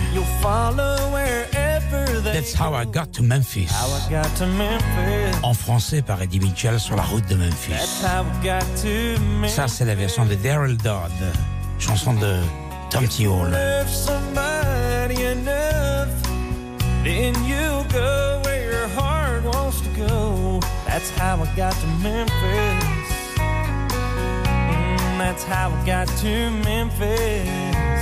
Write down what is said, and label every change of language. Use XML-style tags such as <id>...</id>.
<en>You'll follow wherever they That's how I got to Memphis. How I got to Memphis.</en> <fr>En français par Eddie Mitchell sur la route de Memphis.</fr> <en>That's how I got to Memphis.</en> <fr>Ça, c'est la version de Daryl Dodd, chanson de Tom T.</fr> <en>Hall. If somebody enough, then you go where your heart wants to go. That's how I got to Memphis. That's how I got to Memphis.</en>